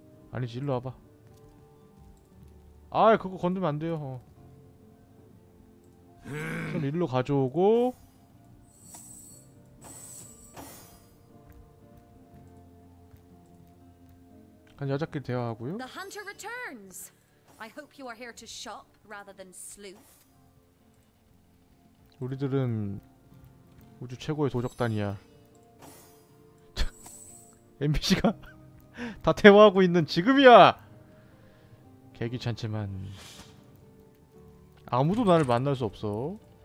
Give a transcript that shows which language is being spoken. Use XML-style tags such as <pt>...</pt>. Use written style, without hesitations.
<ko>아니지 일로 와봐. 아 그거 건드면 안 돼요. 어. 손 일로 가져오고 한 여자끼리 대화하고요.</ko> <en>The hunter returns. I hope you are here to shop rather than sleuth.</en> <ko>우리들은 우주 최고의 도적단이야. NPC가 다 대화하고 있는 지금이야. 개귀찮지만 아무도 나를 만날 수 없어.</ko>